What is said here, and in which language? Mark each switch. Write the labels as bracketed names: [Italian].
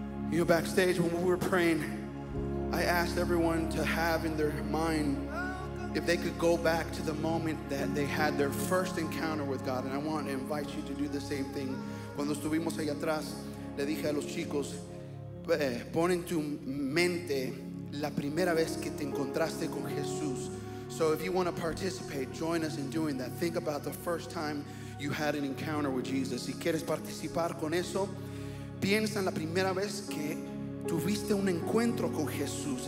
[English] You know, backstage when we were praying, I asked everyone to have in their mind if they could go back to the moment that they had their first encounter with God. And I want to invite you to do the same thing. [Spanish] Cuando estuvimos allá atrás, le dije a los chicos, pon en tu mente la primera vez que te encontraste con Jesús. [English] So if you want to participate, join us in doing that. Think about the first time you had an encounter with Jesus. [Spanish] Si quieres participar con eso, piensa en la primera vez que tuviste un encuentro con Jesús.